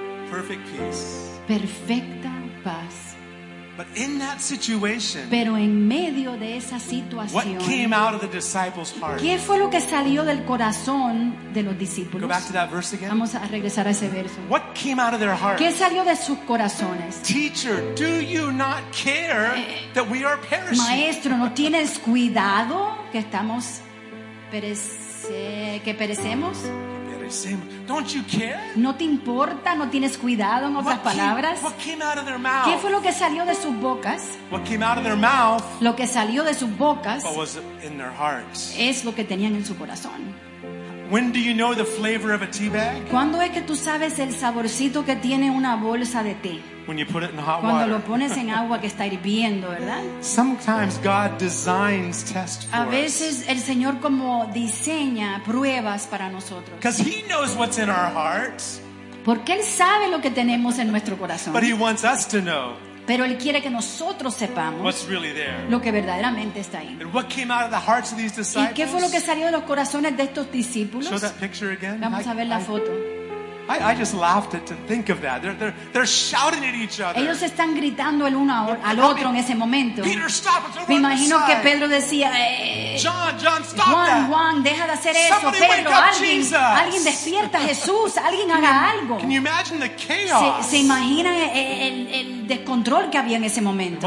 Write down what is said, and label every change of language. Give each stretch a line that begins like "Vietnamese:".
English: Perfect peace.
Spanish: Perfecta paz.
English: But in that situation,
Spanish: pero en medio de esa situación,
English: what came out of the disciples' heart?
Spanish: ¿Qué fue lo que salió del corazón de los discípulos?
English: Go back to that verse again.
Spanish: Vamos a regresar a ese verso.
English: What came out of their heart?
Spanish: ¿Qué salió de sus corazones?
English: Teacher, do you not care that we are perishing?
Spanish: Maestro, ¿no tienes cuidado que estamos que perecemos?
English: Don't you care?
Spanish: ¿No te importa? ¿No tienes cuidado? En otras palabras,
English: what came out of their mouth?
Spanish: ¿Qué fue lo que salió de sus bocas?
English: What came out of their mouth?
Spanish: Lo que salió de sus bocas,
English: what was in their hearts?
Spanish: Es lo que tenían en su corazón.
English: When do you know the flavor of a tea bag?
Spanish: ¿Cuándo es que tú sabes el saborcito que tiene una bolsa de té?
English: When you put it in hot water.
Spanish: Cuando lo pones en agua que está hirviendo, ¿verdad?
English: Sometimes God designs tests for us.
Spanish: A veces el Señor como diseña pruebas para nosotros.
English: Because He knows what's in our hearts.
Spanish: Porque Él sabe lo que tenemos en nuestro corazón.
English: But He wants us to know.
Spanish: Pero Él quiere que nosotros sepamos
English: what's really there.
Spanish: Lo que verdaderamente está ahí.
English: And what came out of the hearts of these disciples?
Spanish: ¿Y qué fue lo que salió de los corazones de estos discípulos?
English: Show that picture again.
Spanish: Vamos a ver la foto.
English: I just laughed at to think of that. They're shouting at each other.
Spanish: Ellos están gritando el uno al otro en ese momento.
English: Peter, stop, it's over.
Spanish: Me imagino que Pedro decía,
English: John, stop.
Spanish: Juan, deja de hacer eso.
English: Somebody,
Spanish: Pedro,
English: wake up,
Spanish: alguien,
English: Jesus.
Spanish: Alguien despierta a Jesús, alguien haga algo.
English: Can you imagine the chaos?
Spanish: Se imaginan el descontrol que había en ese momento.